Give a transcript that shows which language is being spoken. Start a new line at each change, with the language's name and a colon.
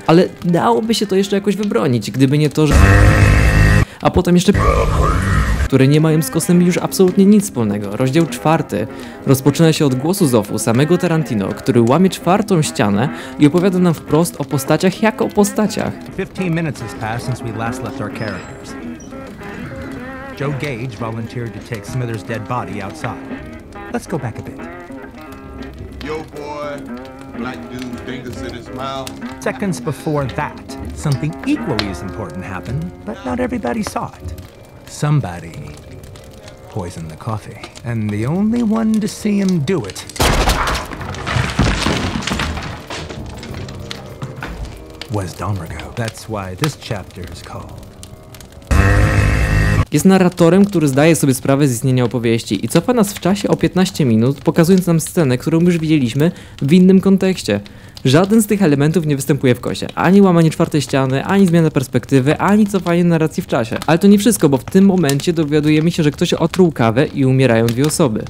Polish: Ale dałoby się to jeszcze jakoś wybronić, gdyby nie to, że... A potem jeszcze które nie mają z KOS-em już absolutnie nic wspólnego. Rozdział czwarty rozpoczyna się od głosu Zofu, samego Tarantino, który łamie czwartą ścianę i opowiada nam wprost o postaciach jako o postaciach.
English: 15 minut has passed since we last left our characters. Joe Gage volunteered to take Smithers' dead body outside. Let's go back a bit. Yo, boy. Black dude, fingers in his mouth. Seconds before that, something equally as important happened, but not everybody saw it. Somebody poisoned the coffee, and the only one to see him do it was Domrigo. That's why this chapter is called.
Polish: Jest narratorem, który zdaje sobie sprawę z istnienia opowieści i cofa nas w czasie o 15 minut, pokazując nam scenę, którą już widzieliśmy w innym kontekście. Żaden z tych elementów nie występuje w kosie. Ani łamanie czwartej ściany, ani zmiana perspektywy, ani cofanie narracji w czasie. Ale to nie wszystko, bo w tym momencie dowiadujemy się, że ktoś otruł kawę i umierają dwie osoby.